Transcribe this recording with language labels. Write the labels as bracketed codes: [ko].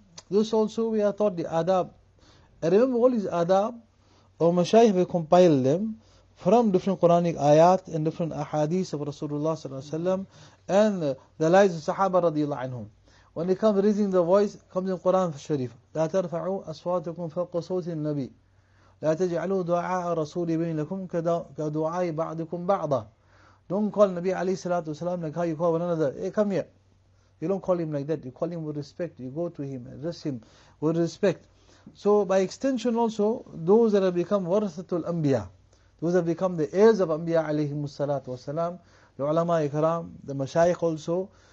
[en] This also we are taught the adab. I remember all his adab, our mashayikh have compiled them from different Quranic ayat and different ahadith of Rasulullah sallallahu alaihi wasallam and the lives of Sahaba radiallahu anhum. When he comes raising the voice, comes in Quran Sharif. [ar] لا ترفعوا أصواتكم فوق صوت النبي لا تجعلوا دعاء رسول بينكم كدعاء بعضكم بعضا. [en] Don't call Nabi alayhi salatu wasalam like how you call one another. Hey, come here. You don't call him like that. You call him with respect. You go to him, address him with respect. So by extension also, those that have become warathatul anbiya, those have become the heirs of anbiya alayhim salatu wasalam, the ulama ikram, the mashayikh also.